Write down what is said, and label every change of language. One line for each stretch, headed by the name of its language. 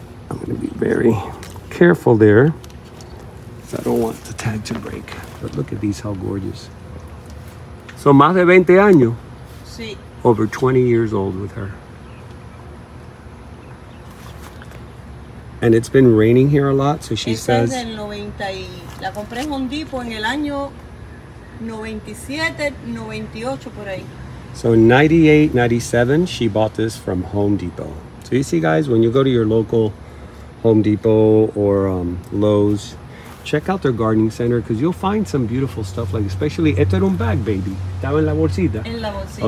English: I'm going to be very careful there. I don't want the tag to break. But look at these, how gorgeous. So
Spanish: más de 20 años. Sí.
English: Over 20 years old with her. And it's been raining here a lot, so she says...
Spanish: Es del 90 y... La compré en Home Depot en el año 97, 98, por ahí.
English: So in 98, 97, she bought this from Home Depot. So you see, guys, when you go to your local Home Depot or Lowe's, check out their gardening center, because you'll find some beautiful stuff, like especially,
Spanish: esto era un
English: bag, baby.
Spanish: Estaba en la bolsita. En la bolsita.